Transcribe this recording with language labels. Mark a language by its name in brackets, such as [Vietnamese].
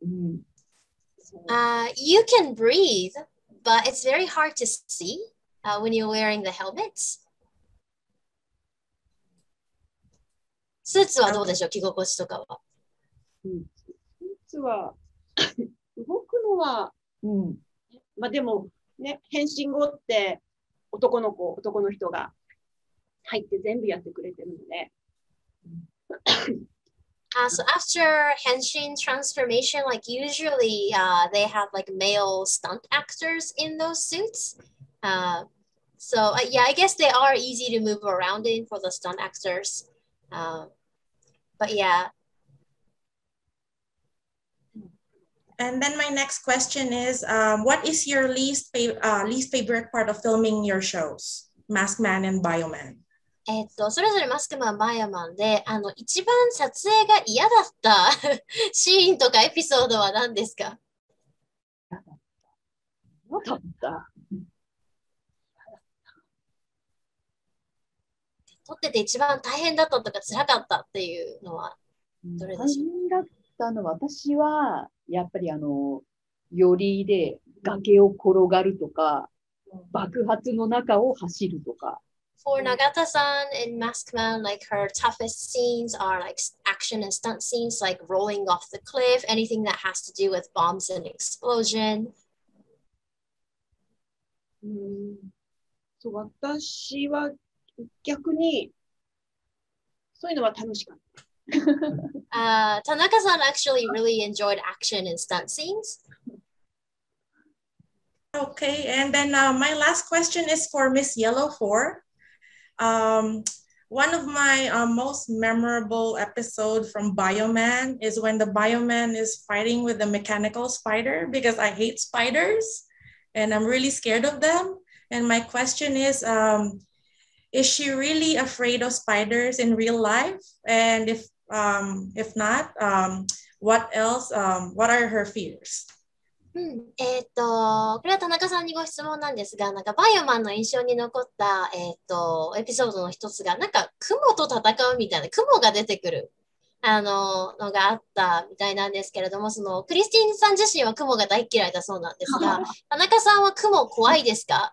[English] You can breathe, but it's very hard to see when you're wearing the helmet. [Japanese] スーツはどうでしょう？着心地とかは。スーツは動くのは、まあでもね、変身後って男の子、男の人が入って全部やってくれてるので。 [English] So after henshin transformation, like usually they have like male stunt actors in those suits. So I guess they are easy to move around in for the stunt actors. And then my next question is, what is your least favorite part of filming your shows, Maskman and Bioman? [Japanese] それぞれマスクマン、バイオマンで、一番撮影が嫌だったシーンとかエピソードは何ですか？嫌だった。撮ってて一番大変だったとか辛かったっていうのはどれでしょう？大変だったのは私は、やっぱり寄りで崖を転がるとか、爆発の中を走るとか。 [English] For Nagata-san in Maskman, like her toughest scenes are like action and stunt scenes, like rolling off the cliff, anything that has to do with bombs and explosion. [Japanese] So, 私は逆にそういうのは楽しかった。 [English] Tanaka-san actually really enjoyed action and stunt scenes. Okay, and then my last question is for Miss Yellow 4. One of my most memorable episode from Bioman is when the Bioman is fighting with the mechanical spider because I hate spiders and I'm really scared of them. And my question is she really afraid of spiders in real life? And if not, what else, what are her fears? [Japanese] これは田中さんにご質問なんですが、なんかバイオマンの印象に残った、エピソードの一つが、なんか雲と戦うみたいな、雲が出てくる、のがあったみたいなんですけれども、その、クリスティーンさん自身は雲が大嫌いだそうなんですが、田中さんは雲怖いですか？